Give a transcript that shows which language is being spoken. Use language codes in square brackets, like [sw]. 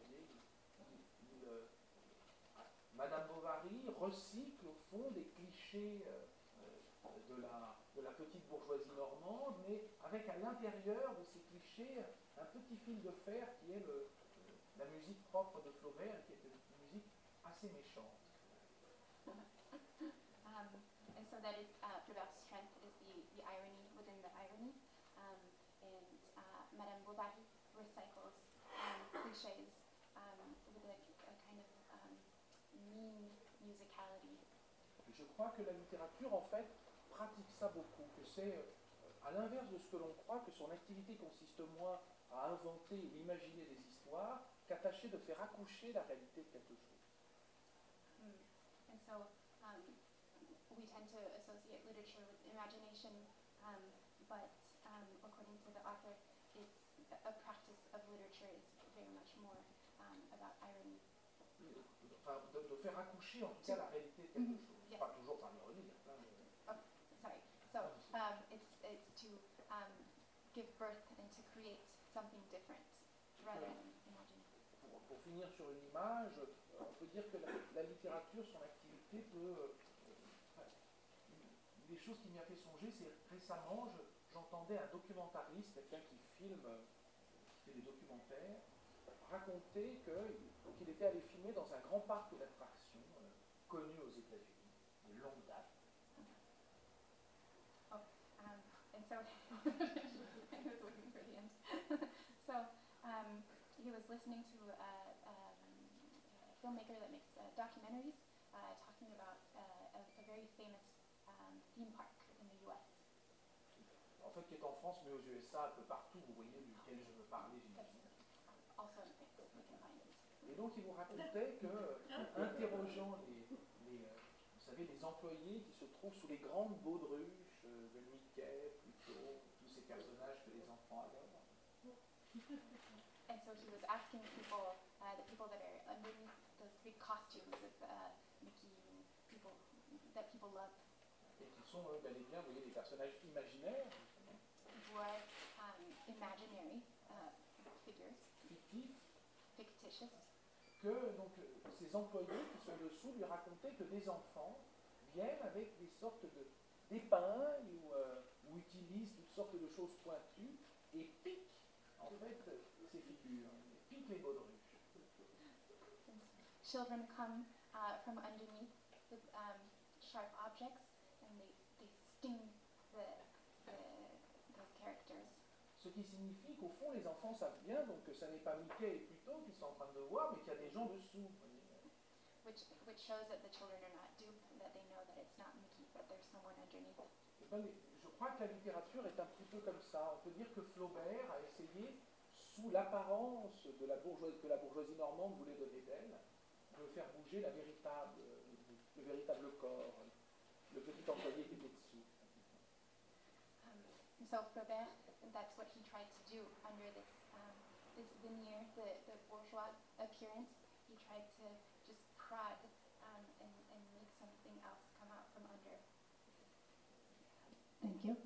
[fr] Vous voyez, Madame Bovary recycle, au fond, des clichés de la petite bourgeoisie normande, mais avec à l'intérieur de ces clichés un petit fil de fer qui est la musique propre de Flaubert, qui est une musique assez méchante. [en] And so that is Flaubert's strength, is the irony within the irony, and Madame Bovary recycles clichés with a kind of mean musicality. [fr] Et je crois que la littérature, en fait, pratique ça beaucoup, que c'est à l'inverse de ce que l'on croit, que son activité consiste moins à inventer et imaginer des histoires qu'à tâcher de faire accoucher la réalité de quelque chose. [en] And so we tend to associate literature with imagination, but according to the author, it's a practice of literature is very much more about irony. [fr] De faire accoucher en tout cas la réalité de quelque chose. [en] Yes. [fr] Pas toujours par l'ironie. Hein. [en] It's to give birth and to create something different rather than imagining. [fr] Pour finir sur une image, on peut dire que la littérature, son activité peut. Une des choses qui m'y a fait songer, c'est récemment, j'entendais un documentariste, quelqu'un qui filme, qui fait des documentaires, raconter qu'il était allé filmer dans un grand parc d'attractions connu aux États-Unis, de longue date. [en] So I was waiting for the end. So he was listening to a filmmaker that makes documentaries talking about a very famous theme park in the U.S. [fr] En fait, qui est en France, mais aux USA, un peu partout, vous voyez duquel je veux parler. [en] Also in France, we can find it. [fr] Et donc, il vous racontait que, interrogeant vous savez, les employés qui se trouvent sous les grandes baudruches de Mickey, tous ces personnages que les enfants adorent. [en] And so he was asking people, the people that are underneath the three costumes of Mickey, people love. [fr] Et qui sont, bel et bien, vous voyez, des personnages imaginaires. [en] Were imaginary figures. Fictitious. [fr] Que donc ces employés qui sont dessous lui racontaient que des enfants viennent avec des sortes d'épingles ou utilisent toutes sortes de choses pointues et piquent en fait ces figures, piquent les baudruches. [en] Children come from underneath with sharp objects and they sting those characters. [fr] Ce qui signifie qu'au fond les enfants savent bien donc que ça n'est pas Mickey et Pluto qui sont en train de voir, mais qu'il y a des gens dessous. [en] Which shows that the children are not duped, that they know that it's not Mickey, but there's someone underneath. [fr] Je crois que la littérature est un petit peu comme ça. On peut dire que Flaubert a essayé, sous l'apparence de la bourgeoisie, que la bourgeoisie normande voulait donner d'elle, de faire bouger le véritable corps, le petit employé qui était dessous. [en] So Flaubert, that's what he tried to do under this this veneer, the bourgeois appearance. He tried to just prod and make something else come out from under. Thank you.